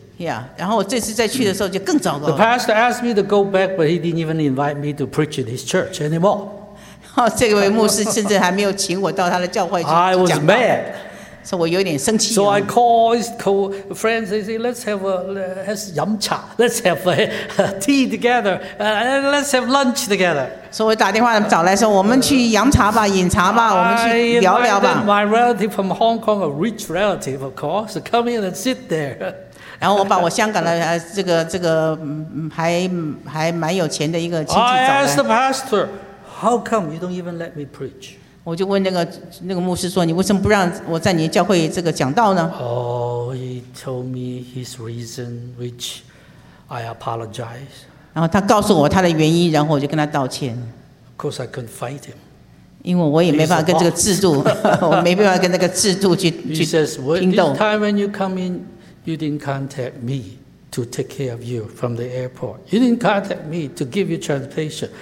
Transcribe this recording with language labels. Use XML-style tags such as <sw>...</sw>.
<zh>呀，然后我这次再去的时候就更糟糕了。</zh> <en>The pastor asked me to go back, but he didn't even invite me to preach in his church anymore.</en> <zh>这位牧师甚至还没有请我到他的教会去讲道。</zh> <en>I was mad.</en> <zh>所以我有点生气。</zh> <en>So I called friends and say, let's 饮茶 ，let's have tea together, and let's have lunch together.</en> <zh>所以我打电话找来说，我们去饮茶吧，饮茶吧，我们去聊聊吧。</zh> <en>My relative from Hong Kong, a rich relative, of course, come in and sit there.</en> <zh>然后我把我香港的这个还蛮有钱的一个亲戚找来。</zh> <en>I asked the pastor, how come you don't even let me preach?</en> <zh>我就问那个牧师说，你为什么不让我在你的教会这个讲道呢</zh> <en>？Oh, he told me his reason, which I apologize.</en> <zh>然后他告诉我他的原因，然后我就跟他道歉。</zh> <en>Of course, I couldn't fight him.</en> <zh>因为我也没办法跟这个制度，我没办法跟这个制度去拼斗。</zh> <en>He says, "This time when you come in." You didn't contact me. to take care of you from the airport. You didn't contact me to give you transportation.</en>